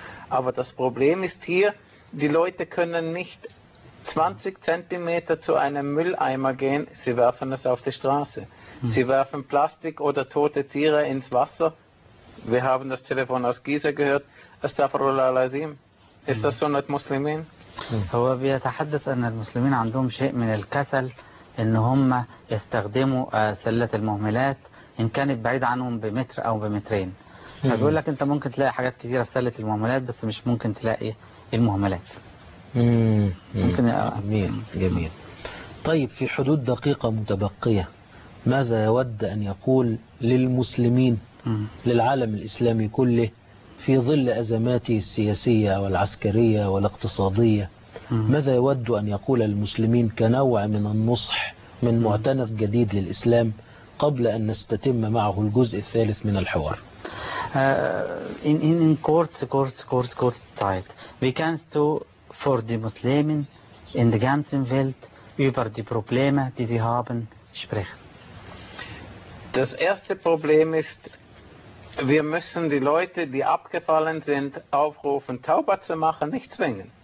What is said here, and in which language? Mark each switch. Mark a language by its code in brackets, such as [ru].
[de] Aber das Problem ist hier, die Leute können nicht 20 Zentimeter zu einem Mülleimer gehen, sie werfen es auf die Straße. Sie werfen Plastik oder tote Tiere ins Wasser. Wir haben das Telefon aus Gizeh gehört. Astaghfirullah al-Azim. Ist das so mit Muslimen? [ar] هو بيتحدث أن المسلمين عندهم شيء من الكسل إن هم يستخدموا سلة المهملات إن كانت بعيد عنهم بمتر أو بمترين. فبيقول لك أنت ممكن تلاقي حاجات كثيرة في سلة المهملات بس مش ممكن تلاقي المهملات. ممكن جميل جميل. طيب في حدود دقيقة متبقية. ماذا يود أن يقول للمسلمين للعالم الإسلامي كله في ظل أزماته السياسية والعسكرية والاقتصادية ماذا يود أن يقول للمسلمين كنوع من النصح من معتنق جديد للإسلام قبل أن نستتم معه الجزء الثالث من الحوار؟ [de] In kurz Zeit. Wie kannst du vor die Muslimen in der ganzen Welt über die Probleme, die sie haben, sprechen? Das erste Problem ist, wir müssen die Leute, die abgefallen sind, aufrufen, Tauba zu machen, nicht zwingen.